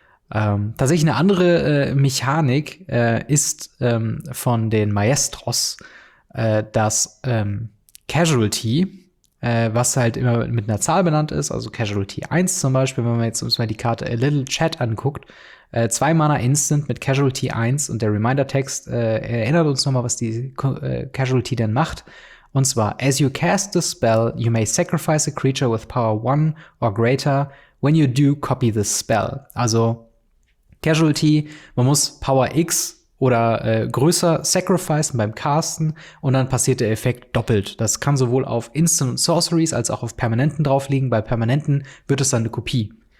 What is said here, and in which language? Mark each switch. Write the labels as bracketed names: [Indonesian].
[German] Tatsächlich eine andere Mechanik ist von den Maestros das Casualty, was halt immer mit einer Zahl benannt ist, also Casualty 1 zum Beispiel, wenn man jetzt uns mal die Karte A Little Chat anguckt, 2 Mana Instant mit Casualty 1 und der Reminder-Text erinnert uns nochmal, was die Casualty denn macht. Und zwar, [English] as you cast the spell, you may sacrifice a creature with power 1 or greater. When you do, copy the spell. [German] Also Casualty, man muss Power X oder größer sacrificen beim Casten und dann passiert der Effekt doppelt. Das kann sowohl auf Instant und Sorceries als auch auf Permanenten drauf liegen. Bei Permanenten wird es dann eine Kopie.